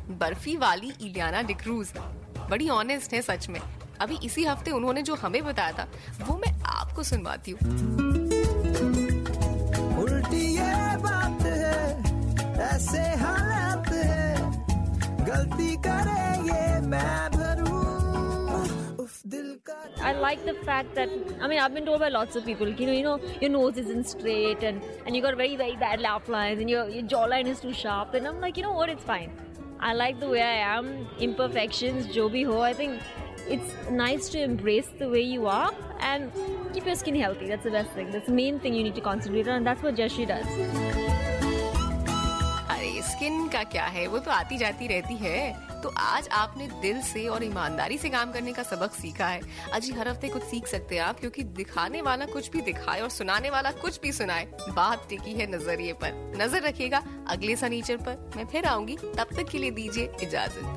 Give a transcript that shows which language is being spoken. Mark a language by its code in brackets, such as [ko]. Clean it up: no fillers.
[hi] बर्फी वाली इलियाना डिक्रूज बड़ी ऑनेस्ट है सच में। अभी इसी हफ्ते उन्होंने जो हमें बताया था वो मैं आपको सुनवाती हूँ। [en] I like the fact that, I mean, I've been told by lots of people, you know, your nose isn't straight and you got very, very bad laugh lines and your jawline is too sharp. And I'm like, you know what, it's fine. I like the way I am. Imperfections, [hi] jo bhi ho, [en] I think it's nice to embrace the way you are and keep your skin healthy. That's the best thing. That's the main thing you need to concentrate on. And that's what Jashri does. [hi] Skin का क्या है, वो तो आती जाती रहती है। तो आज आपने दिल से और ईमानदारी से काम करने का सबक सीखा है। अजी हर हफ्ते कुछ सीख सकते हैं आप, क्योंकि दिखाने वाला कुछ भी दिखाए और सुनाने वाला कुछ भी सुनाए, बात टिकी है नजरिए पर। नजर रखिएगा अगले सनीचर पर, मैं फिर आऊंगी, तब तक के लिए दीजिए इजाजत।